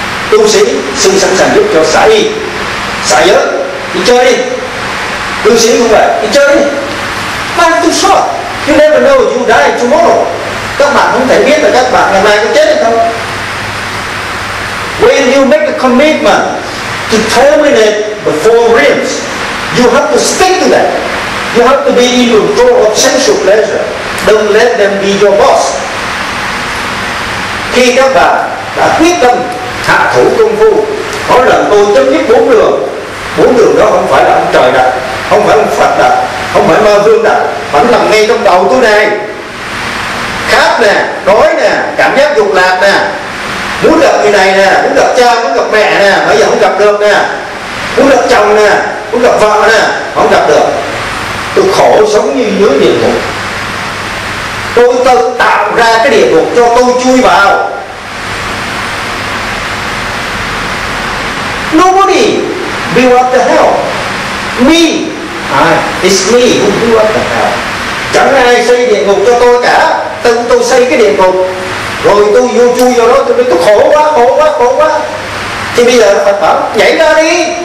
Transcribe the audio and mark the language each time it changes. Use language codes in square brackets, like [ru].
[vi] Tu sĩ xin sẵn sàng giúp cho xả y, xả giới, đi chơi đi. Tu sĩ cũng vậy, đi chơi đi. [en] Life too short, you never know you die tomorrow. [vi] Các bạn không thể biết là các bạn ngày mai có chết được không. [en] When you make a commitment to terminate the four realms, you have to stick to that. You have to be in control of sensual pleasure. Don't let them be your boss. [vi] Khi các bạn đã quyết tâm hạ thủ công phu, nói rằng tôi chấm dứt bốn đường đó không phải là ông trời đặt, không phải ông Phật đặt, không phải ma vương đặt, mà nó nằm ngay trong đầu tôi này. Khát nè, đói nè, cảm giác dục lạc nè, muốn gặp người này nè, muốn gặp cha, muốn gặp mẹ nè, bây giờ không gặp được nè, muốn gặp chồng nè, muốn gặp vợ nè, không gặp được. Tôi khổ sống như dưới địa ngục, tôi tự tạo ra cái địa ngục cho tôi chui vào. [en] Nobody build up the hell, me, it's me who build up the hell. [vi] Chẳng ai xây địa ngục cho tôi cả, tự tôi xây cái địa ngục. Rồi tôi vô chui vào đó, tôi khổ quá. Thì bây giờ Phật bảo, nhảy ra đi.